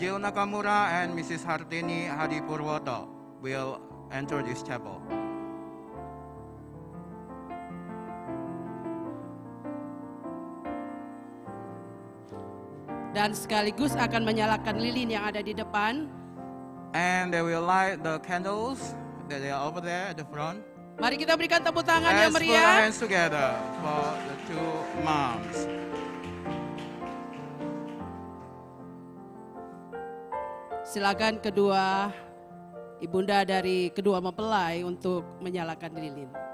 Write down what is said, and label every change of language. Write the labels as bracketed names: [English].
[English] Jill Nakamura and Mrs. Hartini Hadi Purworto will enter this chapel. [Indonesian] Dan sekaligus akan menyalakan lilin yang ada di depan. [English] And they will light the candles that are over there at the front. [Indonesian] Mari kita berikan tepuk tangan [English] Let's [Indonesian] yang meriah. [English] Put our hands together for the two moms. [Indonesian] Silakan kedua ibunda dari kedua mempelai untuk menyalakan lilin.